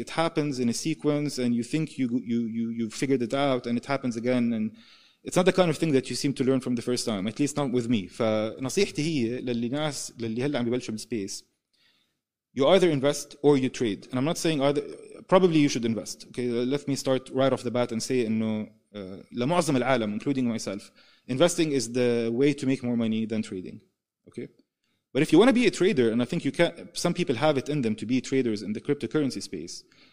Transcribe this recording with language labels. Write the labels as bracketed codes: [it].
[en] It happens in a sequence and you think you figured it out and it happens again, and it's not the kind of thing that you seem to learn from the first time, at least not with me. [ar] فنصيحتي هي للي هلا عم ببلشوا بالسبيس, [en] you either invest or you trade. And I'm not saying either, probably you should invest. Okay, let me start right off the bat and say [ar] إنه لمعظم العالم [en] including myself investing is the way to make more money than trading. Okay, but if you want to be a trader, and I think you can, some people have it in them to be traders in the cryptocurrency space,